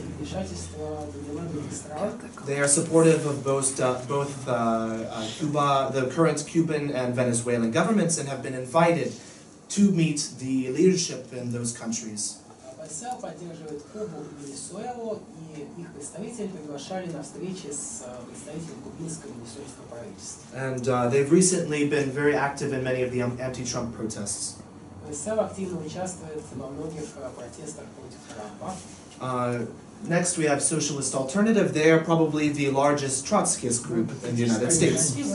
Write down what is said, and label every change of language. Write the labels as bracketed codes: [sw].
[en] They are supportive of both Cuba, the current Cuban and Venezuelan governments, and have been invited to meet the leadership in those countries. [ru] ПСЛ поддерживает Кубу и Венесуэлу, и их представители приглашали на встречи с представителями кубинского и венесуэльского правительства. [en] And they've recently been very active in many of the anti-Trump protests. [ru] ПСЛ активно участвует во многих протестах против Трампа. [en] Next we have Socialist Alternative. They are probably the largest Trotskyist group in the United States.